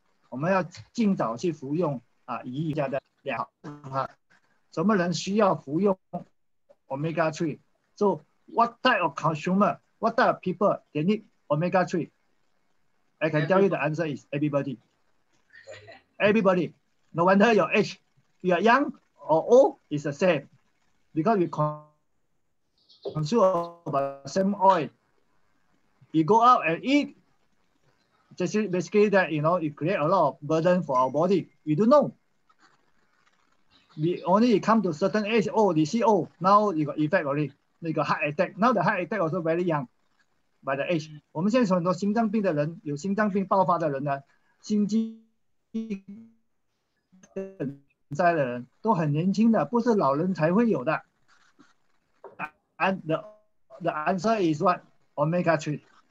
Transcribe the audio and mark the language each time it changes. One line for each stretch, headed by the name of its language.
Chinese: 我们要尽早去服用啊，鱼油的。什么人需要服用 omega 3?
English: So what type of consumer, what type of people they need omega 3? I can tell you the answer is everybody. Everybody, no matter your age, you are young or old, it's the same. Because we consume about the same oil. You go out and eat, just basically that, you know, you create a lot of burden for our body. You don't know. We only come to certain age, oh, they see, oh, now you got effect already. You got heart attack. Now the heart attack also very young by the age.
Chinese: 我们现在很多心脏病的人，有心脏病爆发的人呢，心肌梗现在的人都很年轻的，不是老人才会有的。
English: And the answer is what? Omega 3.